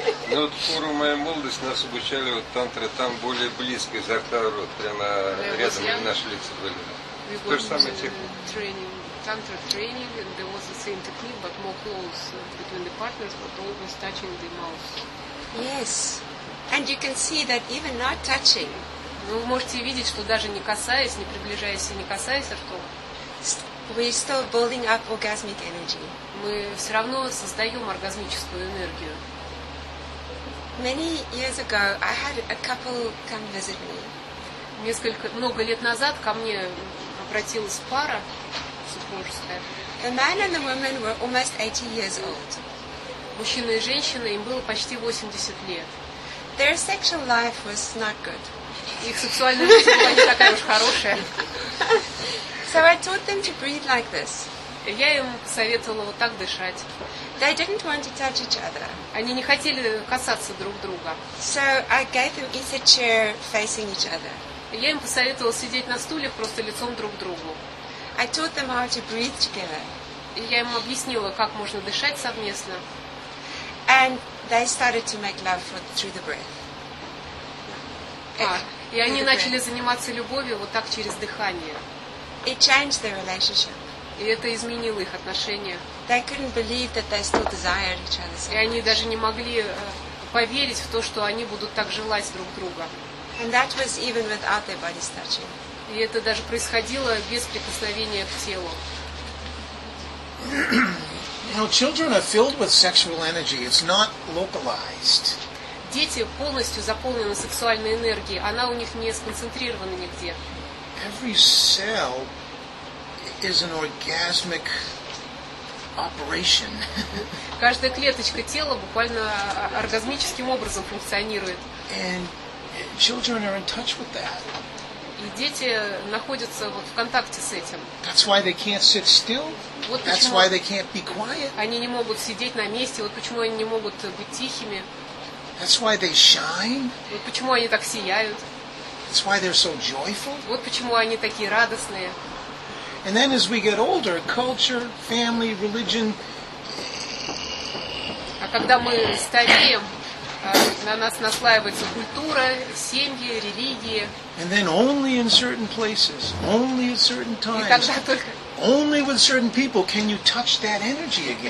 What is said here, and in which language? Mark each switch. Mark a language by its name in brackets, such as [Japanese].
[Russian] Ну вот в пору моей молодости нас обучали вот тантры, там более близко изо рта в рот, прямо рядом наши лица были. [English] we were using training, tantra training, and there was the same technique, but more close between the partners, but always touching the mouth. Yes, and you can see that even not touching. [Russian] Вы можете видеть, что даже не касаясь, не приближаясь и не касаясь ртом, [English] we're still building up orgasmic energy. [Russian] Мы все равно создаем оргазмическую энергию. [English] Many years ago, I had a couple come visit me. [Russian] Много лет назад ко мне обратилась пара супружеская. [English] The man and the woman were almost 80 years old. [Russian] Мужчина и женщина, им было почти 80 лет. [English] Their sexual life was not good. [Russian] Их сексуальная жизнь была не такая уж хорошая. [English] So I taught them to breathe like this. [Russian] Я им советовала вот так дышать. [English] They didn't want to touch each other. [Russian] Они не хотели касаться друг друга. [English] So I gave them ether chair facing each other. [Russian] Я им посоветовала сидеть на стульях просто лицом друг к другу. [English] I taught them how to breathe together. [Russian] Я им объяснила, как можно дышать совместно. [English] And they started to make love through the breath. [Russian] И они начали заниматься любовью вот так через дыхание. [English] It changed their relationship. [Russian] И это изменило их отношения. [English] They couldn't believe that they still desired each other. [Russian] И они даже не могли поверить в то, что они будут так желать друг друга. [English] And that was even without their bodies touching. [Russian] И это даже происходило без прикосновения к телу. [English] Now children are filled with sexual energy. It's not localized. [Russian] Дети полностью заполнены сексуальной энергией. Она у них не сконцентрирована нигде. [English] Every cell is an orgasmic operation. [Russian] Каждая клеточка тела буквально оргазмическим образом функционирует. [English] And children are in touch with that. [Russian] И дети находятся вот в контакте с этим. [English] That's why they can't sit still. [Russian] Вот [English] That's why they can't be quiet. [Russian] Они не могут сидеть на месте. Вот почему они не могут быть тихими. [English] That's why they shine. [Russian] Вот почему они так сияют. [English] That's why they're so joyful. [Russian] Вот почему они такие радостные. [English] And then as we get older, culture, family, religion. [Russian] А когда мы стареем, на нас наслаивается культура, семьи, религии. [English] And then only in certain places, only at certain times. [Russian] И тогда только. [English] Only with certain people can you touch that energy again.